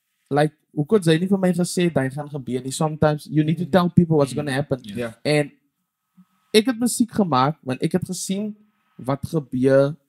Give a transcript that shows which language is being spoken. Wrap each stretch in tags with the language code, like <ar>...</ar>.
<af>Like hoe kon jy nie vir my gesê dat gaan gebeur nie?</af> <en>Sometimes you need to tell people what's gonna happen. Yeah.</en> <af>And ek het musiek gemaak want ek het gesien wat gebeur.</af>